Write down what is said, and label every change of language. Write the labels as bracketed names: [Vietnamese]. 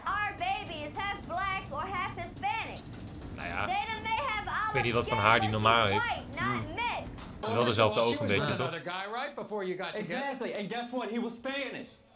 [English] Our baby is half black or half Hispanic. [Dutch] Nou ja, [English] Zeta may have [Dutch] ik weet niet wat van haar die normaal is. Mm. Wel dezelfde ogen een beetje, toch? [English] Right exactly, and guess what, he was Spanish.